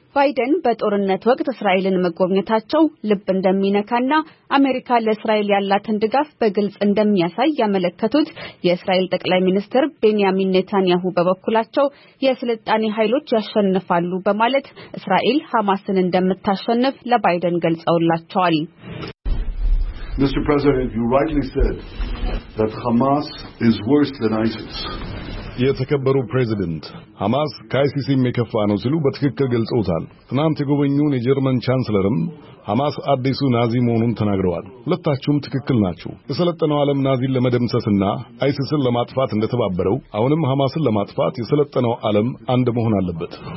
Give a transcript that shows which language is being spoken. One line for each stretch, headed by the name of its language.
Amharic: ባይደን በጦርነት ወቅት እስራኤልን መጎብኘታቸው ልብ እንደሚነካና አሜሪካ ለእስራኤል ያላትን ድጋፍ በግልጽ እንደሚያሳይ ያመለከቱት የእስራኤል ጠቅላይ ሚኒስትር ቤንያሚን ኔታንያሁ በበኩላቸው የስልጣኔ ኃይሎች ያሸንፋሉ በማለት እስራኤል ሐማስን እንደምታሸንፍ ለባይደን ገልጸውላቸዋል።
English: Mr. President, you rightly said that Hamas is worse than ISIS.
Amharic: የተከበሩ ፕሬዝዳንት፣ ሐማስ ከአይሲስ የሚከፋ ነው ሲሉ በትክክል ገልጸውታል። ትናንት የጎበኙን የጀርመን ቻንስለርም ሐማስ አዲሱ ናዚ መሆኑን ተናግረዋል። ሁለታችሁም ትክክል ናችሁ። የሰለጠነው ዓለም ናዚን ለመደምሰስና አይሲስን ለማጥፋት እንደተባበረው አሁንም ሐማስን ለማጥፋት የሰለጠነው ዓለም አንድ መሆን አለበት።